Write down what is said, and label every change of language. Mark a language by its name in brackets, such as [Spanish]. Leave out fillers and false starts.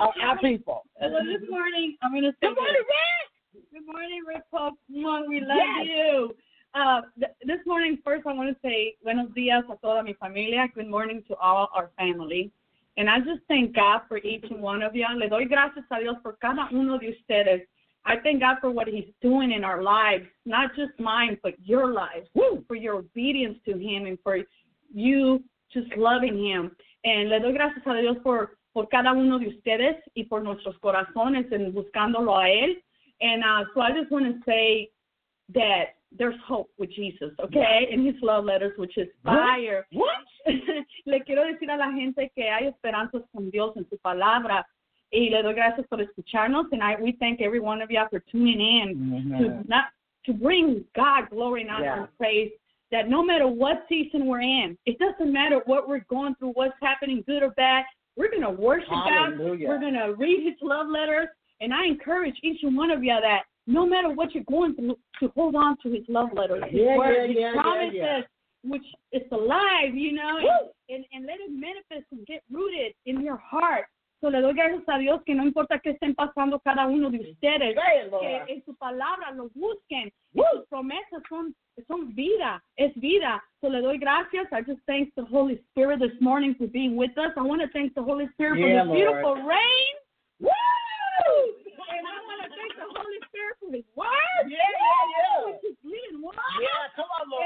[English] our people. Hello, this morning, I'm going to say good morning, Rick. Good morning, Rick Pope. We love you. This morning, first, I want to say [Spanish] buenos dias a toda mi familia. [English] Good morning to all our family. And I just thank God for each one of you. [Spanish] Le doy gracias a Dios por cada uno de ustedes. [English] I thank God for what he's doing in our lives, not just mine, but your lives, for your obedience to him and for you just loving him. [Spanish] And le doy gracias a Dios por cada uno de ustedes y por nuestros corazones en buscándolo a él. [English] And so I just want to say that there's hope with Jesus, okay? In his love letters, which is fire. What? [Spanish] Le quiero decir a la gente que hay esperanzas con Dios en su palabra. Y le doy gracias por escucharnos. [English] And we thank every one of you for tuning in to bring God glory and honor and praise. That no matter what season we're in, it doesn't matter what we're going through, what's happening, good or bad, we're going to worship God. We're going to read his love letters. And I encourage each and one of you that no matter what you're going through, to hold on to his love letters, his promises, which is alive, you know, and let it manifest and get rooted in your heart. [Spanish] So le doy gracias a Dios que no importa qué estén pasando cada uno de ustedes, que en su palabra lo busquen. Sus promesas son vida, es vida. So le doy gracias. [English] I just thank the Holy Spirit this morning for being with us. I want to thank the Holy Spirit for the beautiful rain. Woo! And I want to thank the Holy Spirit for his word. Yeah, which is leading. What? Yeah, come on, Lord.